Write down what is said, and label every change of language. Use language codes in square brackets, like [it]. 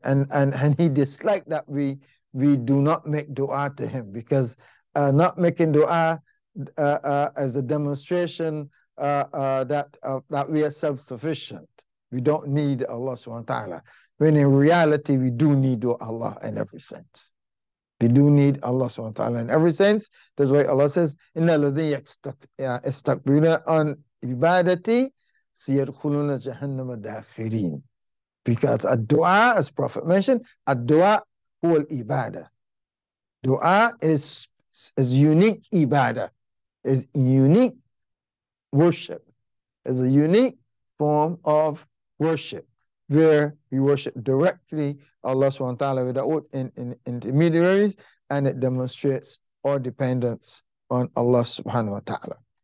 [en] And he dislikes that we do not make dua to him, because not making dua is a demonstration that we are self-sufficient. We don't need Allah subhanahu wa ta'ala. When in reality, we do need Allah in every sense. We do need Allah subhanahu wa ta'ala in every sense. That's why Allah says, [ar] إِنَّ الَّذِينَ يَسْتَكْبِرُونَ عَنْ عِبَادَتِي سَيَدْخُلُونَ جَهَنَّمَ دَاخِرِينَ. [en] Because a dua, as Prophet mentioned, a dua [ar] huwa al-ibadah. [en] Dua is unique ibadah, is unique worship, is a unique form of worship, where we worship directly Allah subhanahu wa ta'ala without in intermediaries, and it demonstrates our dependence on Allah subhanahu wa ta'ala.